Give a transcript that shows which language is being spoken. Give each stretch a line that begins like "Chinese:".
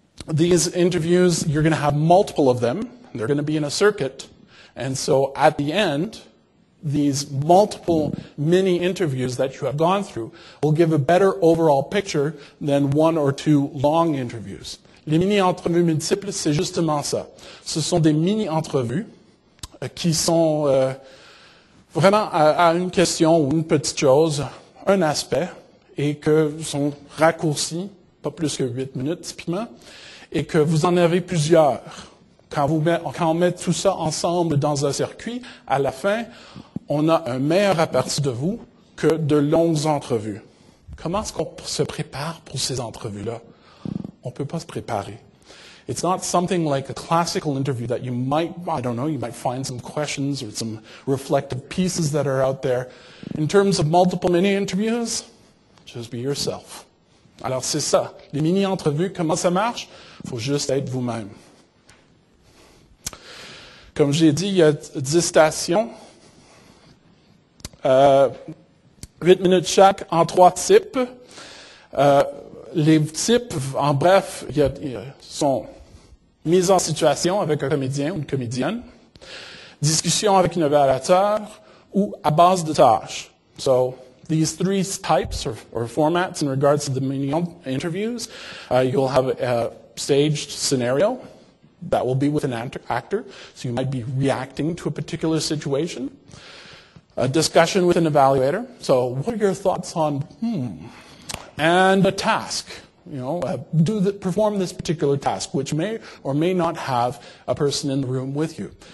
English: These interviews, you're going to have multiple of them. They're going to be in a circuit. And so at the end, these multiple mini interviews that you have gone through will give a better overall picture than 1 or 2 long interviews.
French: Les mini-entrevues multiples, c'est justement ça. Ce sont des mini-entrevues qui sont vraiment à une question ou une petite chose, un aspect, et que sont raccourcis, pas plus que 8 minutes typiquement, et que vous en avez plusieurs. Quand on met tout ça ensemble dans un circuit, à la fin, on a un meilleur aperçu de vous que de longues entrevues. Comment est-ce qu'on se prépare pour ces entrevues-là? On peut pas se préparer.
English: It's not something like a classical interview that you might, I don't know, you might find some questions or some reflective pieces that are out there. In terms of multiple mini interviews, just be yourself.
French: Alors c'est ça. Les mini entrevues, comment ça marche? Faut juste être vous-même. Comme j'ai dit, il y a 10 stations. 8 minutes chaque en 3 types. Les types, en bref, sont mise en situation avec un comédien ou une comédienne, discussion avec un évaluateur ou à base de tâches.
English: So, these three types or formats in regards to the mini interviews, you'll have a staged scenario that will be with an actor, so you might be reacting to a particular situation. A discussion with an evaluator, so what are your thoughts on, and a task, perform this particular task, which may or may not have a person in the room with you.